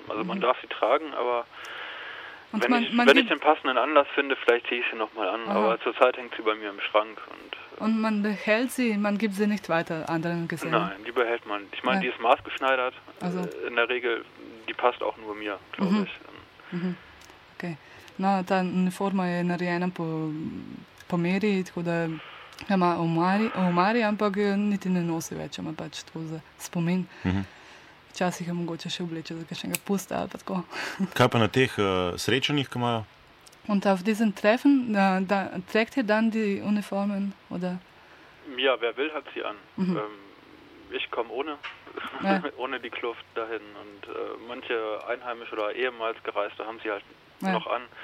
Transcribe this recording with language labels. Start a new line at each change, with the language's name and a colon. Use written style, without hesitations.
German: Also man darf sie tragen, aber und wenn ich den passenden Anlass finde, vielleicht ziehe ich sie nochmal an. Aha. Aber zurzeit hängt sie bei mir im Schrank. Und man behält sie, man gibt sie nicht weiter anderen Gesellen? Nein, die behält man. Ich meine, die ist maßgeschneidert. Also in der Regel, die passt auch nur mir, glaube ich. Okay. Na, dann eine Form
Slovenian: je narejena po meri, tako da ima omari, ampak niti ne nosi več, ima pač tako za spomin. Včasih je mogoče še obleče za kakšnega pusta ali pa tako. Kaj pa na teh srečanjih, ki imajo?
German: Und auf diesen Treffen, da trägt ihr dann die Uniformen, oder? Ja, wer will, hat sie an. Ich komme ohne, ohne die Kluft dahin. Und manche Einheimische oder ehemals Gereiste haben sie halt noch an.